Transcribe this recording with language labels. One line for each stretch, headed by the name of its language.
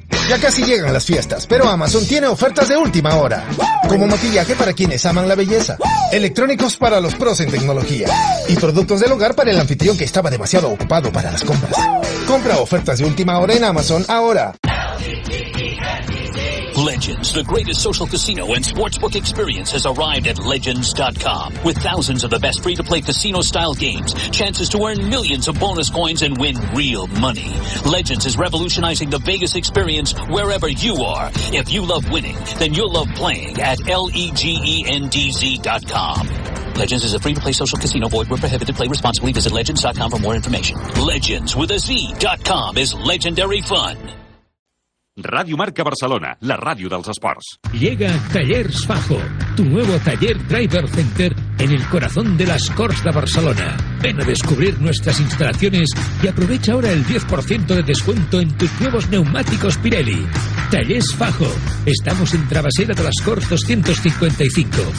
Spanish: Ya casi llegan las fiestas, pero Amazon tiene ofertas de última hora. Como maquillaje para quienes aman la belleza, electrónicos para los pros en tecnología y productos del hogar para el anfitrión que estaba demasiado ocupado para las compras. Compra ofertas de última hora en Amazon ahora.
English: Legends, the greatest social casino and sportsbook experience has arrived at Legends.com. With thousands of the best free-to-play casino-style games, chances to earn millions of bonus coins and win real money. Legends is revolutionizing the Vegas experience wherever you are. If you love winning, then you'll love playing at Legends.com. Legends is a free-to-play social casino. Void where prohibited. Play responsibly. Visit Legends.com for more information. Legends with a Z.com is legendary fun.
Catalan: Radio Marca Barcelona, la radio dels esports.
Spanish: Llega Tallers Fajo, tu nuevo taller driver center en el corazón de las Corts de Barcelona. Ven a descubrir nuestras instalaciones y aprovecha ahora el 10% de descuento en tus nuevos neumáticos Pirelli. Tallers Fajo, estamos en Travesera de las Corts 255.